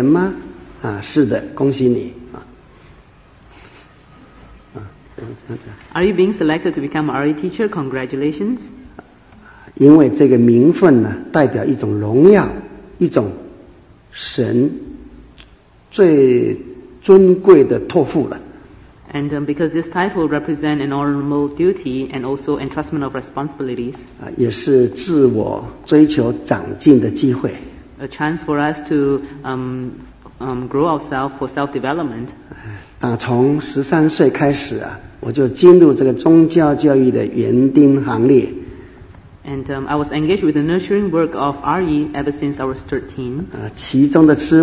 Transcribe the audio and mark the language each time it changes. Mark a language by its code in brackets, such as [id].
[zh] 引言这里边说，你被选任当宗教教育的教员吗？是的，恭喜你。 [en] Are you being selected to become RE teacher? Congratulations. [zh] 因为这个名分代表一种荣耀，一种神最尊贵的托付了。 [en] And because this title represents an honorable duty and also entrustment of responsibilities. [zh] 也是自我追求长进的机会。 [en] A chance for us to grow ourselves for self-development. [zh] 从13岁开始啊。我就进入这个宗教教育的园丁行列。 [en] And I was engaged with the nurturing work of RE ever since I was 13.